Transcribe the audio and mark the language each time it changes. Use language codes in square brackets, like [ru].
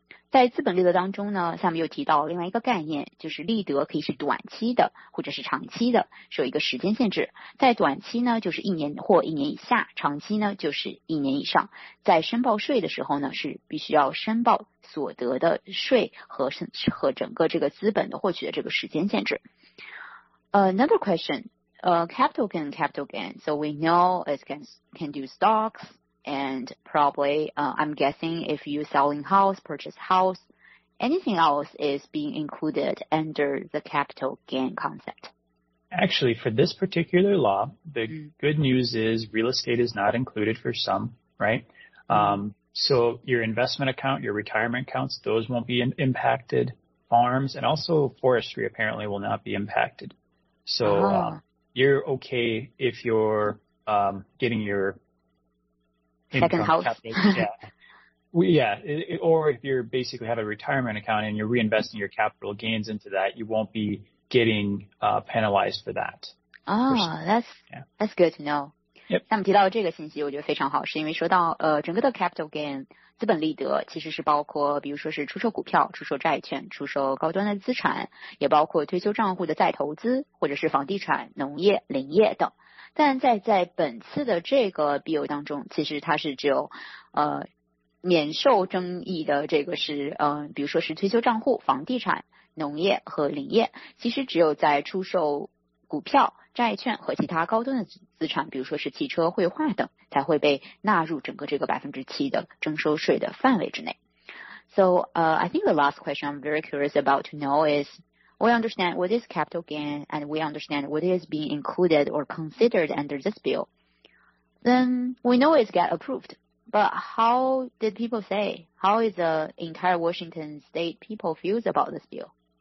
[zh] 在资本利得当中呢，下面又提到另外一个概念，就是利得可以是短期的或者是长期的，是有一个时间限制。在短期呢就是一年或一年以下，长期呢就是一年以上。在申报税的时候呢，是必须要申报所得的税和整个这个资本的获取的这个时间限制。 [en] Another question. Capital gain, capital gain. So we know it can do stocks, and probably, I'm guessing if you selling house, purchase house, anything else is being included under the capital gain concept. Actually, for this particular law, the good news is real estate is not included for some, right? So your investment account, your retirement accounts, those won't be impacted. Farms and also forestry apparently will not be impacted. So, you're okay if you're getting your second house. Or if you're basically have a retirement account and you're reinvesting your capital gains into that, you won't be getting penalized for that. That's good to know. Yep. [zh] 他们提到这个信息我觉得非常好，是因为说到整个的 capital gain 资本利得其实是包括比如说是出售股票、出售债券、出售高端的资产，也包括退休账户的再投资，或者是房地产、农业、林业等。但在本次的这个 bill 当中，其实它是只有免受争议的这个是比如说是退休账户、房地产、农业和林业，其实只有在出售股票、债券和其他高端的资产，比如说是汽车、绘画等，才会被纳入整个这个 7% 的征收税的范围之内。 [en] So, I think the last question I'm very curious about to know is, we understand what is capital gain, and we understand what is being included or considered under this bill. Then, we know it's got approved, but how did people say? How is the entire Washington state people feels about this bill?